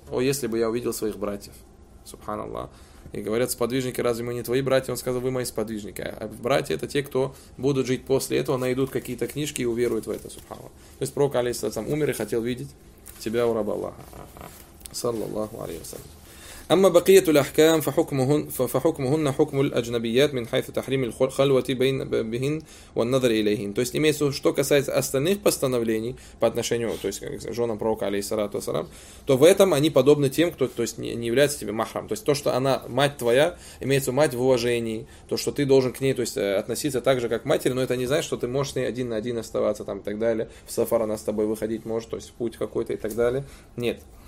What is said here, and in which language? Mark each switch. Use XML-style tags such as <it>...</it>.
<ru>«О, если бы я увидел своих братьев». Субханаллах. И говорят сподвижники: «Разве мы не твои братья?» Он сказал: «Вы мои сподвижники». А братья — это те, кто будут жить после этого, найдут какие-то книжки и уверуют в это. Субханаллах. То есть пророк, алейхиссалям, умер и хотел видеть тебя у раба Аллаха. Саллаллаху алейхиссалям.</ru> <ar>أما بقية الأحكام فحكمهن حكم الأجنبيات من حيث تحريم الخلوة بين بهن والنظر إليهن.</ar> <ru>То есть имеется, что касается остальных постановлений по отношению, то есть к женам пророка, алейхиссалату ассалям, то в этом они подобны тем, кто, то есть, не является тебе махрам. То есть то, что она мать твоя, имеется мать в уважении, то, что ты должен к ней, то есть, относиться так же, как к матери, но это не значит, что ты можешь с ней один на один оставаться там и так далее, в сафар она с тобой выходить может, то есть в путь какой-то и так далее. Нет.</ru>